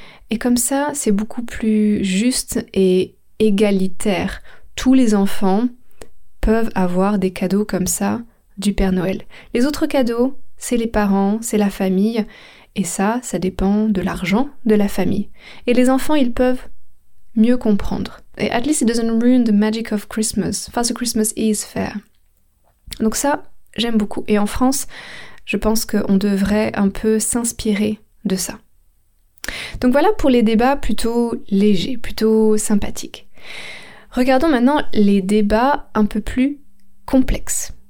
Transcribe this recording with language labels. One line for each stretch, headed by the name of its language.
French: Et comme ça, c'est beaucoup plus juste et égalitaire. Tous les enfants peuvent avoir des cadeaux comme ça du Père Noël. Les autres cadeaux, c'est les parents, c'est la famille. Et ça, ça dépend de l'argent de la famille. Et les enfants, ils peuvent mieux comprendre.
English: Et at least it doesn't ruin the magic of Christmas. For the Christmas is fair.
French: Donc ça, j'aime beaucoup. Et en France, je pense qu'on devrait un peu s'inspirer de ça. Donc voilà pour les débats plutôt légers, plutôt sympathiques. Regardons maintenant les débats un peu plus complexes.